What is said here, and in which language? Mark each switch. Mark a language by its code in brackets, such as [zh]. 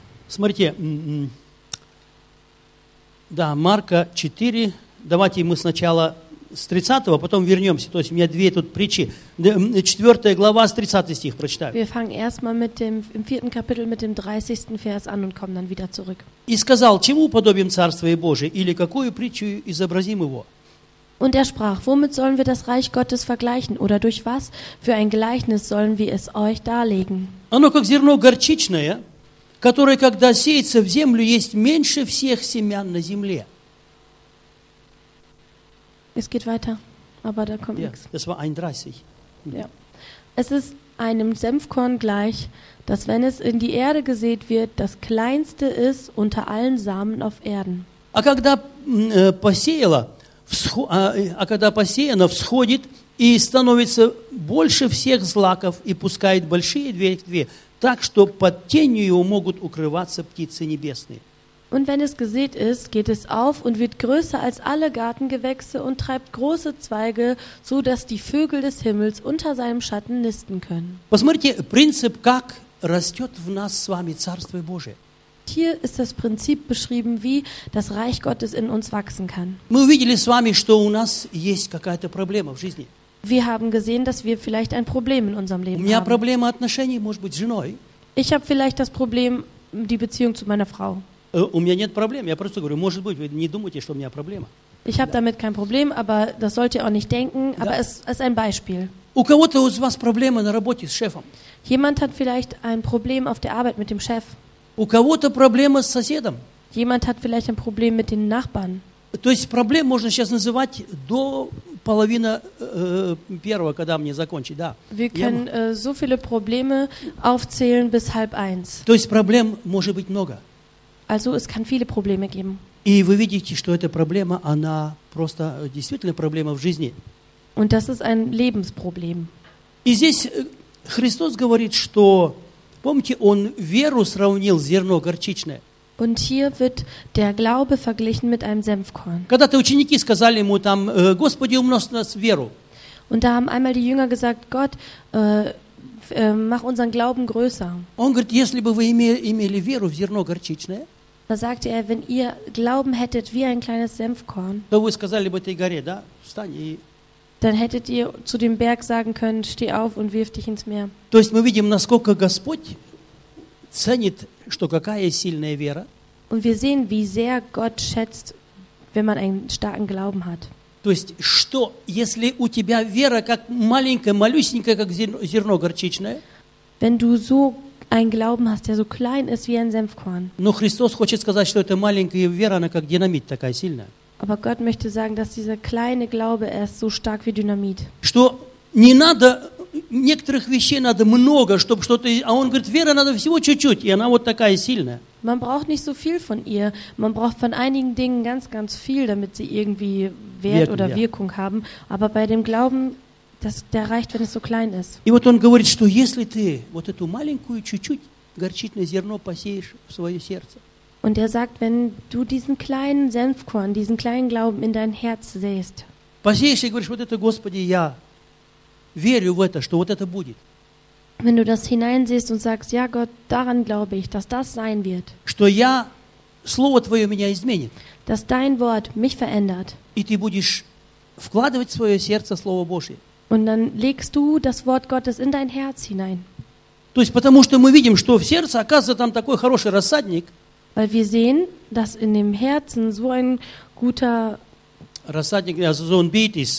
[ru] Смотрите. Да, Марка 4. Давайте мы сначала с 30-го, потом вернемся. То есть у меня две тут притчи. 4 глава, с 30 стих прочитаю. [de] Wir fangen erstmal mit dem, im 4. Kapitel mit dem 30. Vers an und kommen dann wieder zurück. [ru] И сказал, чему подобим Царство Божие, или какую притчу изобразим его? [de] Und er sprach, womit sollen wir das Reich Gottes vergleichen, oder durch was für ein Gleichnis sollen wir es euch darlegen? [ru] Оно как зерно горчичное, которое, когда сеется в землю, есть меньше всех семян на земле. [de] Es geht weiter, aber da kommt nichts. Das war 31. Ja. Es ist einem Senfkorn gleich, dass wenn es in die Erde gesät wird, das kleinste ist unter allen Samen auf Erden. [ru] А когда посеяло, а когда посеяно, всходит и становится больше всех злаков и пускает большие ветви, так что под тенью его могут укрываться птицы небесные. [de] Und wenn es gesät ist, geht es auf und wird größer als alle Gartengewächse und treibt große Zweige, so dass die Vögel des Himmels unter seinem Schatten nisten können. [ru] Посмотрите, принцип, как растет в нас с вами Царство Божие. [de] Hier ist das Prinzip beschrieben, wie das Reich Gottes in uns wachsen kann. [ru] Мы увидели с вами, что у нас есть какая-то проблема в жизни. [de] wir haben gesehen, dass wir vielleicht ein Problem in unserem Leben haben. [ru] У меня проблема отношений, может быть, с женой. [de] Ich habe vielleicht das Problem, die Beziehung zu meiner Frau. [ru] У меня нет проблем. Я просто говорю, может быть, вы не думаете, что у меня проблема. [de] Ich habe damit kein Problem, aber das sollt ihr auch nicht denken, aber es ist ein Beispiel. [ru] У кого-то из вас проблемы на работе с шефом? [de] Jemand hat vielleicht ein Problem auf der Arbeit mit dem Chef. [ru] У кого-то проблемы с соседом? [de] Jemand hat vielleicht ein Problem mit den Nachbarn. [ru] То есть проблем можно сейчас называть до половины первого, когда мне закончить, да. [de] Wir können so viele Probleme aufzählen bis halb eins. [ru] То есть проблем может быть много. [de] Also es kann viele Probleme geben. [ru] И вы видите, что эта проблема, она просто действительно проблема в жизни. [de] Und das ist ein Lebensproblem. [ru] И здесь Христос говорит, что, помните, Он веру сравнил зерно горчичное. [de] Und hier wird der Glaube verglichen mit einem Senfkorn. [ru] Когда-то ученики сказали ему там, Господи, умножь нас веру. [de] Und da haben einmal die Jünger gesagt, Gott, mach unseren Glauben größer. [ru] Он говорит, если бы вы имели веру в зерно горчичное, [de] da sagte er, wenn ihr Glauben hättet wie ein kleines Senfkorn, [ru] то вы сказали бы этой горе, да, встань и... [de] dann hättet ihr zu dem Berg sagen können, steh auf und wirf dich ins Meer. [ru] То есть мы видим, насколько Господь ценит, что какая сильная вера. [de] Und wir sehen, wie sehr Gott schätzt, wenn man einen starken Glauben hat. [ru] То есть что, если у тебя вера как маленькая, малюсенькая, как зерно горчичное, [de] wenn du so einen Glauben hast, der so klein ist wie ein Senfkorn. [ru] Но Христос хочет сказать, что эта маленькая вера, она как динамит такая сильная. [de] Aber Gott möchte sagen, dass dieser kleine Glaube erst so stark wie Dynamit. [ru] Что не надо некоторых вещей надо много, чтобы что-то, а он говорит, вера надо всего чуть-чуть, и она вот такая сильная. [de] Man braucht nicht so viel von ihr, man braucht von einigen Dingen ganz ganz viel, damit sie irgendwie Wert wirken, oder Wirkung haben, aber bei dem Glauben, das der reicht, wenn es so klein ist. [ru] И вот он говорит, что если ты вот эту маленькую чуть-чуть горчичное зерно посеешь в своё сердце. [de] Und er sagt, wenn du diesen kleinen Senfkorn, diesen kleinen Glauben in dein Herz säst. [ru] Посеешь и говоришь, вот это, Господи, я верю в это, что вот это будет. [de] Wenn du das hineinsiehst und sagst, ja Gott, daran glaube ich, dass das sein wird. [ru] Что я, слово твое меня изменит. [de] Dass dein Wort mich verändert. [ru] И ты будешь вкладывать в свое сердце Слово Божие. [de] Und dann legst du das Wort Gottes in dein Herz hinein. [ru] То есть потому что мы видим, что в сердце оказывается там такой хороший рассадник. [de] Weil wir sehen, dass in dem Herzen so ein guter Рассадник, also so ein Beet ist,